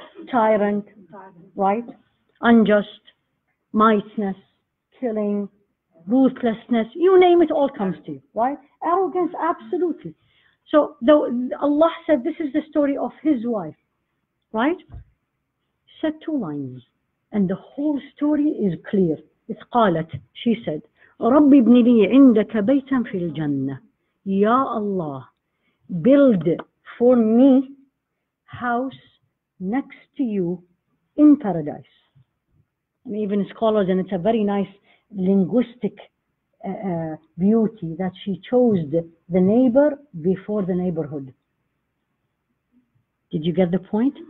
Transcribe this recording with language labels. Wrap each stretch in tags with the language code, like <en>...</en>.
<en>Tyrant, right? Unjust, mightiness, killing, ruthlessness, you name it, all comes to you, right? Arrogance, absolutely. So Allah said this is the story of his wife, right? He said two lines, and the whole story is clear. It's qalat, she said,</en> <ar>رَبِّ ابْنِ لِي عِنْدَكَ بَيْتًا فِي الْجَنَّةِ.</ar> <en>Ya Allah, build for me house next to you in paradise. And even scholars, and it's a very nice linguistic beauty that she chose the neighbor before the neighborhood. Did you get the point?</en>